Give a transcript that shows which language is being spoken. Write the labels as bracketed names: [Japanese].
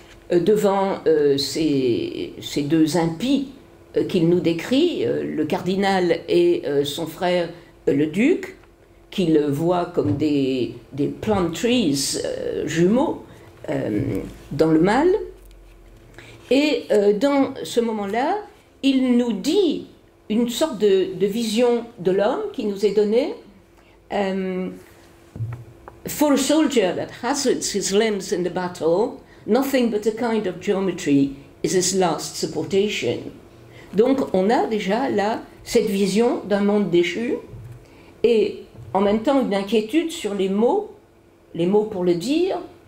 [French] devant ces deux impies qu'il nous décrit, le cardinal et son frère le duc, qu'il voit comme des [English] plant trees [French] jumeaux dans le mal. Et dans ce moment-là, il nous dit une sorte de vision de l'homme qui nous est donnée. [English] For a soldier that hazards his limbs in the battle, nothing but a kind of geometry is his last supportation. [French] Donc on a déjà là cette vision d'un monde déchu et en même temps une inquiétude sur les mots pour le dire.